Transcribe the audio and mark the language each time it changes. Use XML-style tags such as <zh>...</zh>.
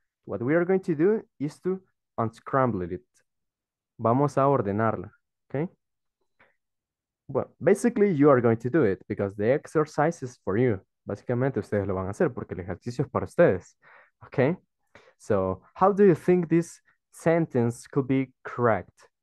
<en>What we are going to do is to unscramble it.</en> <es>Vamos a ordenarla,</es> <en>okay? Well, basically, you are going to do it because the exercise is for you.</en> <es>Básicamente, ustedes lo van a hacer porque el ejercicio es para ustedes, okay?</es> <en>So, how do you think this sentence could be correct?</en>